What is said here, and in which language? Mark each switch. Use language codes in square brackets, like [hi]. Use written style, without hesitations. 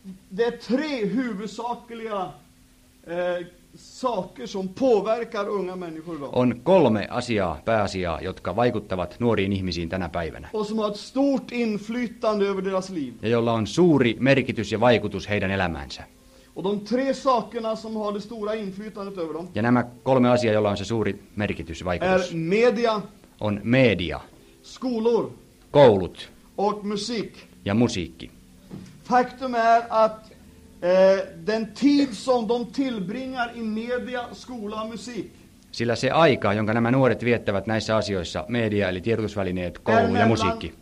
[sv] Det är tre huvudsakliga saker som påverkar unga människor idag. [fi] On kolme asiaa, pääasiaa, jotka vaikuttavat nuoriin ihmisiin tänä päivänä. [sv] Och som har ett stort inflytande över deras liv. [fi] Ja jolla on suuri merkitys ja vaikutus heidän elämäänsä. [sv] Och de tre sakerna som har det stora inflytandet över dem. [fi] Ja nämä kolme asiaa, jolla on se suuri merkitys ja vaikutus. [sv] Är media. [fi] On media. [sv] Skolor. [fi] Koulut. [sv] Och musik. [fi] Ja musiikki. [sv] Faktum är att den tid som de tillbringar i media, skola och musik. [fi] Sillä se aika, jonka nämä nuoret viettävät näissä asioissa, media eli tiedotusvälineet, koulu ja musiikki.